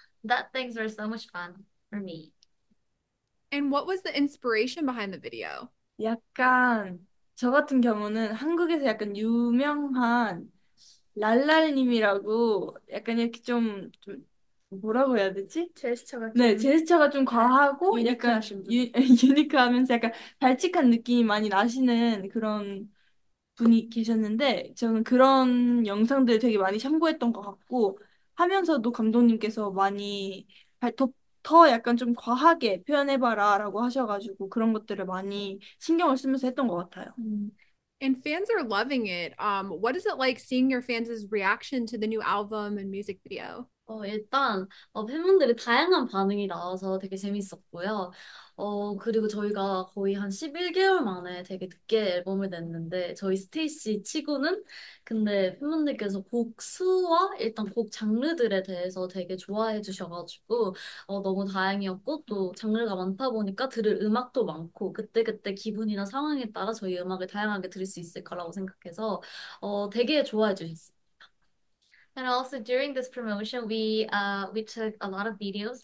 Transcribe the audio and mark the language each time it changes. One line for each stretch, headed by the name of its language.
English: That things were so much fun for me. And what was the inspiration behind the video?
Korean: 약간 저 같은 경우는 한국에서 약간 유명한 랄랄님이라고 약간 이렇게 좀 뭐라고 해야 되지? 제스처가 네, 좀 제스처가 좀 과하고 약간 유니크하신 분. 유니크하면서 약간 발칙한 느낌이 많이 나시는 그런 분이 계셨는데, 저는 그런 영상들 되게 많이 참고했던 것 같고, 하면서도 감독님께서 많이 발톱 더 약간 좀 과하게 표현해봐라 라고 하셔가지고 그런 것들을 많이 신경을 쓰면서 했던 것 같아요.
English: And fans are loving it. What is it like seeing your fans' reaction to the new album and music video?
Korean: 일단 팬분들의 다양한 반응이 나와서 되게 재밌었고요. 그리고 저희가 거의 한 11개월 만에 되게 늦게 앨범을 냈는데 저희 스테이씨 치고는 근데 팬분들께서 곡 수와 일단 곡 장르들에 대해서 되게 좋아해 주셔가지고 너무 다행이었고 또 장르가 많다 보니까 들을 음악도 많고 그때그때 기분이나 상황에 따라 저희 음악을 다양하게 들을 수 있을 거라고 생각해서 되게 좋아해 주셨습니다.
English: And also during this promotion, we took a lot of videos.